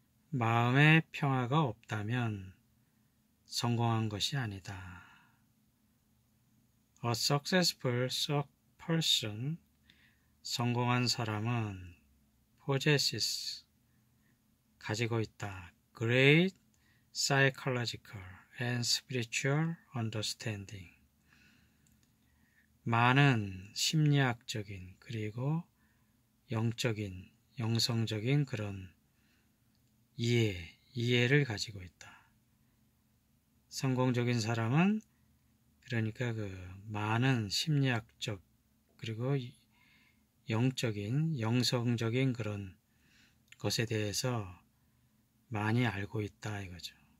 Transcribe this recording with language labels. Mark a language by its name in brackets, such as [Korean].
[Korean] 마음의 평화가 없다면 성공한 것이 아니다. [English] A successful person, [Korean] 성공한 사람은 [English] possesses, [Korean] 가지고 있다. [English] Great psychological and spiritual understanding. [Korean] 많은 심리학적인 그리고 영적인, 영성적인 그런 이해를 가지고 있다. 성공적인 사람은 그러니까 그 많은 심리학적 그리고 영적인, 영성적인 그런 것에 대해서 많이 알고 있다 이거죠.